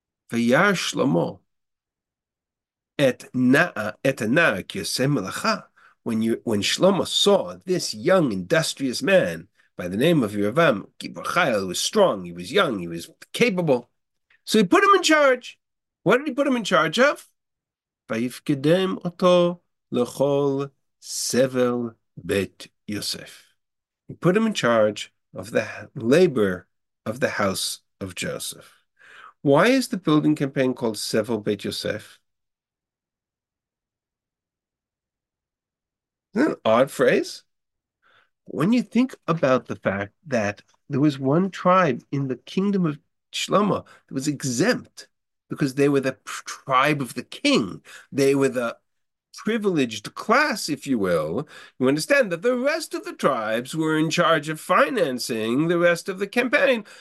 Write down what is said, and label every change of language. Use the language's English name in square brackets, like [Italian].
[Hebrew] V'yar Shlomo et na'a k'yosei melacha. [English] When Shlomo saw this young, industrious man by the name of Yeravam, Gibor Chayil, who was strong, he was young, he was capable. So he put him in charge. What did he put him in charge of? [Hebrew] ויפקדם אותו לכל סבל בית יוסף. [English] He put him in charge of the labor of the house of Joseph. Why is the building campaign called Sevel Beit Yosef? Isn't that an odd phrase? When you think about the fact that there was one tribe in the kingdom of Shlomo that was exempt because they were the tribe of the king, they were the privileged class, if you will, you understand that the rest of the tribes were in charge of financing the rest of the campaign.